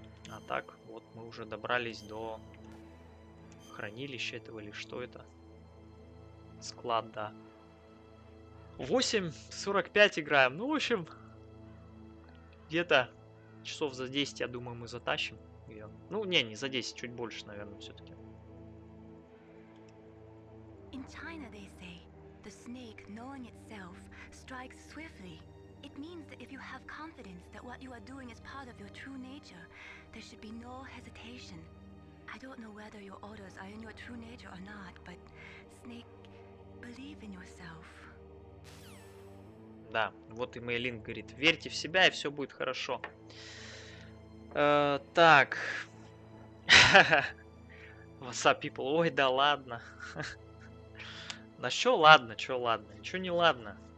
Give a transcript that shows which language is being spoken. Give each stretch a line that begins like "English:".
Russian: А так, вот мы уже добрались до хранилища этого, или что это? Склад, да. 8:45 играем. Ну, в общем, где-то часов за 10, я думаю, мы затащим. Ну, не, не за 10, чуть больше, наверное, все-таки.
English: In China, they say, the snake, knowing itself, strikes swiftly. It means that if you have confidence that what you are doing is part of your true nature, there should be no hesitation. I don't know whether your orders are in your true nature or not, but snake, believe in yourself.
Russian: Да, вот и Мейлин говорит, верьте в себя, и все будет хорошо. Так.
English: What's up, people?
Russian: Ой, да ладно. На что ладно, что ладно? Ничего не ладно.